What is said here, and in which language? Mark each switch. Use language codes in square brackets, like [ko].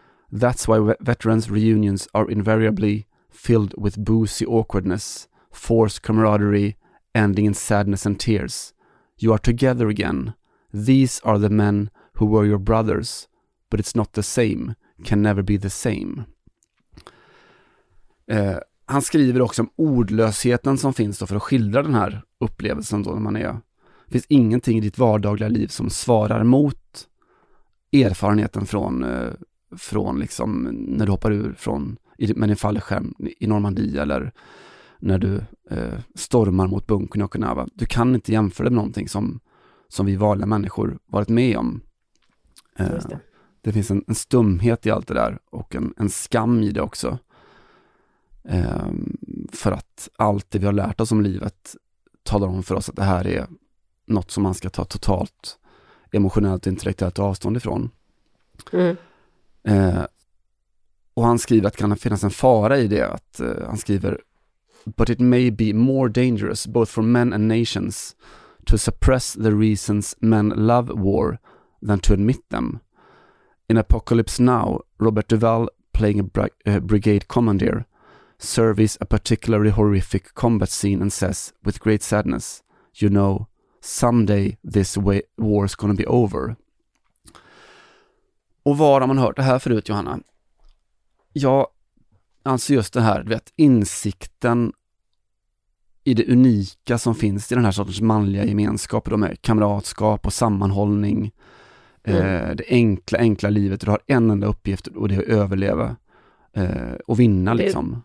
[en] That's why veterans reunions are invariably filled with boozy awkwardness, forced camaraderie ending in sadness and tears. You are together again. These are the men who were your brothers, but it's not the same, can never be the same. [sv] Han skriver också om ordlösheten som finns då för att skildra den här upplevelsen då när man är. Det finns ingenting i ditt vardagliga liv som svarar mot erfarenheten från liksom när du hoppar ur från med en fallskärm i Normandie eller när du stormar mot bunkern i Okinawa. Du kan inte jämföra det med någonting som vi vanliga människor varit med om. Det finns en stumhet i allt det där och en skam i det också. För att allt det vi har lärt oss om livet talar om för oss att det här är något som man ska ta totalt emotionellt och intellektuellt avstånd ifrån. Och han skriver att det kan finnas en fara i det. Att han skriver [en] but it may be more dangerous both for men and nations to suppress the reasons men love war than to admit them. In Apocalypse Now, Robert Duvall, playing a brigade commander, surveys a particularly horrific combat scene and says, with great sadness, you know, someday this war's gonna be over. [sv] Och var har man hört det här förut, Johanna? Ja, alltså just det här, du vet, insikten i det unika som finns i den här sortens manliga gemenskapen, med kamratskap och sammanhållning. Det enkla livet, du har en enda uppgift och det är att överleva och vinna liksom.